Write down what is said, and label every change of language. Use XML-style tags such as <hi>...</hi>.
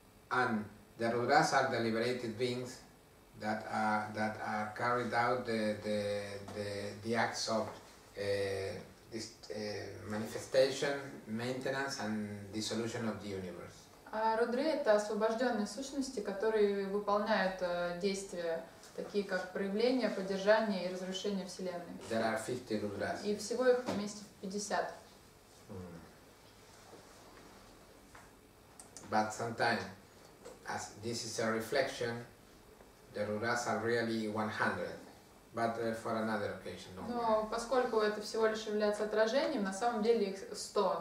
<en>And the rudras are the liberated beings that are carried out the acts of this manifestation, maintenance, and dissolution of the universe.</en> <ru>А рудры — это освобожденные сущности, которые выполняют действия, такие как проявление, поддержание и разрушение вселенной.</ru> <en>There are 50 rudras.</en> <ru>И всего их вместе 50.</ru> <en>But sometimes, as this is a reflection, the rudras are really 100. But for another occasion, no.</en> <ru>Но поскольку это всего лишь является отражением, на самом деле их 100.</ru>